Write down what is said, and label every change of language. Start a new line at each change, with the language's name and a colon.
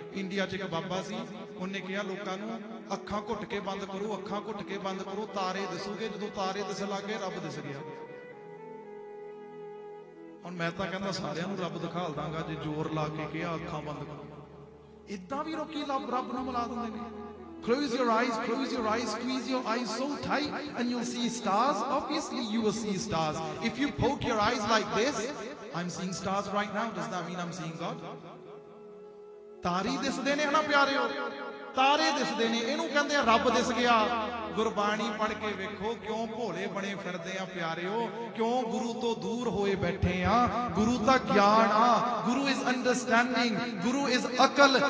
Punjabi: India 'ਚ ਇੱਕ ਬਾਬਾ ਸੀ, ਉਹਨੇ ਕਿਹਾ ਲੋਕਾਂ ਨੂੰ ਅੱਖਾਂ ਘੁੱਟ ਕੇ ਬੰਦ ਕਰੋ, ਅੱਖਾਂ ਘੁੱਟ ਕੇ ਬੰਦ ਕਰੋ, ਤਾਰੇ ਦਿਸੂਗੇ, ਜਦੋਂ ਤਾਰੇ ਦਿਸਣ ਲੱਗ ਗਏ ਰੱਬ ਦਿਸ ਗਿਆ। ਹੁਣ ਮੈਂ ਤਾਂ ਕਹਿੰਦਾ ਸਾਰਿਆਂ ਨੂੰ ਰੱਬ ਦਿਖਾ ਦਾਂਗਾ ਜੇ ਜ਼ੋਰ ਲਾ ਕੇ ਕਿਹਾ ਅੱਖਾਂ ਬੰਦ ਕਰੋ, ਇੱਦਾਂ ਵੀ ਲੋਕੀ ਰੱਬ ਨੂੰ ਮਿਲਾ ਦਿੰਦੇ ਨੇ।
English: Close your eyes, close your eyes, squeeze your eyes so tight and you'll see stars, obviously you will see stars. If you poke your eyes like this, I'm seeing stars right now, does that mean I'm seeing God?
Punjabi: ਤਾਰੇ ਦਿਸਦੇ ਨੇ ਨਾ ਪਿਆਰਿਓ, ਤਾਰੇ ਦਿਸਦੇ ਨੇ, ਇਹਨੂੰ ਕਹਿੰਦੇ ਆ ਰੱਬ ਦਿਸ ਗਿਆ। ਗੁਰਬਾਣੀ ਪੜ੍ਹ ਕੇ ਵੇਖੋ ਕਿਉਂ ਭੋਲੇ ਬਣੇ ਫਿਰਦੇ ਆ ਪਿਆਰਿਓ, ਕਿਉਂ ਗੁਰੂ ਤੋਂ ਦੂਰ ਹੋਏ ਬੈਠੇ ਆ। ਗੁਰੂ ਤਾਂ ਗਿਆਨ ਆ,
English: ਗੁਰੂ is understanding,
Punjabi: ਗੁਰੂ ਇਜ਼ ਅਕਲ।